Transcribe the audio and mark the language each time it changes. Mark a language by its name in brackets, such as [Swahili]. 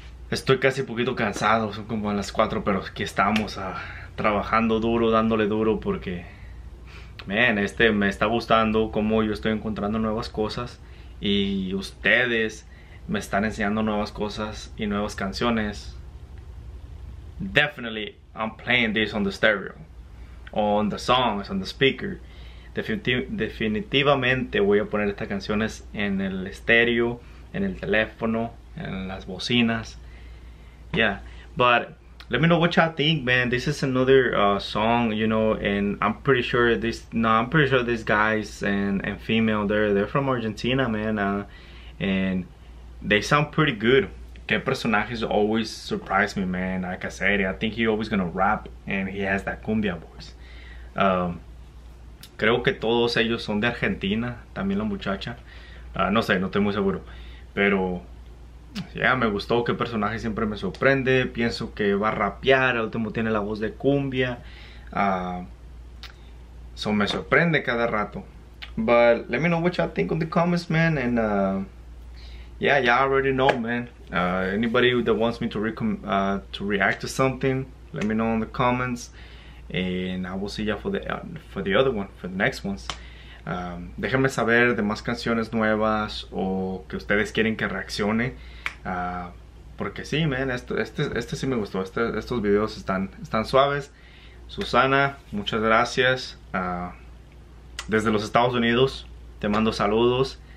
[Spanish] Estoy casi un poquito cansado, son como a las 4, pero aquí estamos trabajando duro, dándole duro, porque, man, me está gustando cómo yo estoy encontrando nuevas cosas y ustedes me están enseñando nuevas cosas y nuevas canciones. [English] Definitely, I'm playing this on the stereo, on the songs, on the speaker. [Spanish] Definitivamente voy a poner estas canciones en el estéreo, en el teléfono, en las bocinas. [English] Yeah, but let me know what y'all think, man. This is another song, you know, and I'm pretty sure these guys and female, they're from Argentina, man, and they sound pretty good. Que Personajes always surprised me, man. Like I said, I think he's always gonna rap, and he has that cumbia voice. [Spanish] Creo que todos ellos son de Argentina, también la muchacha. No sé, no estoy muy seguro, pero... Yeah, me gustó. Que Personaje siempre me sorprende. Pienso que va a rapear. El último tiene la voz de cumbia. So me sorprende cada rato. [English] But let me know what y'all think in the comments, man. And yeah, y'all already know, man. Anybody that wants me to react to something, let me know in the comments. And I will see y'all for the other one, for the next ones. [Spanish] Déjenme saber de más canciones nuevas o que ustedes quieren que reaccione. Porque sí, man, este sí me gustó. Estos videos están suaves. Susana, muchas gracias. Desde los Estados Unidos, te mando saludos.